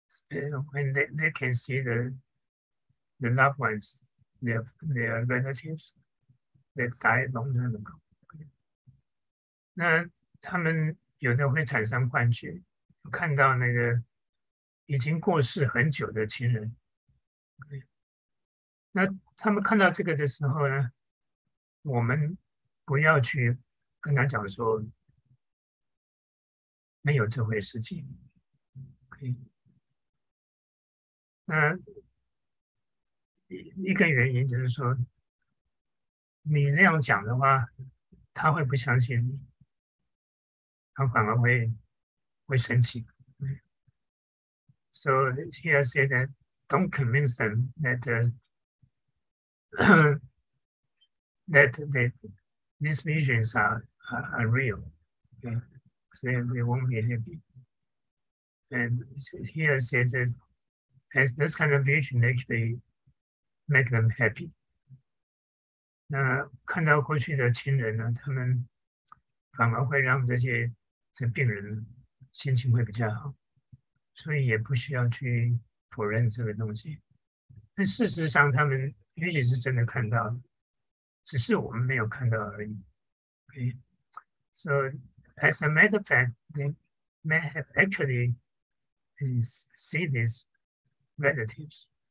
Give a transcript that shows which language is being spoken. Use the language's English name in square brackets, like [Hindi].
[English] When they can see the loved ones, their relatives that died long time ago. [Chinese] 那他们有的会产生幻觉，看到那个。已经过世很久的亲人，okay. 那他们看到这个的时候呢，我们不要去跟他讲说没有这回事情，okay. 那一个原因就是说，你那样讲的话，他会不相信你，他反而会生气。 [English] So he has said that don't convince them that these visions are real. Okay? So they won't be happy. And he has said that this kind of vision actually make them happy. [Chinese] 那看到过去的亲人呢，他们反而会让这病人心情会比较好，所以也不需要去否认这个东西。但事实上，他们也许是真的看到，只是我们没有看到而已。 [English] OK，so、okay. as a matter of fact, they may have actually see these relatives.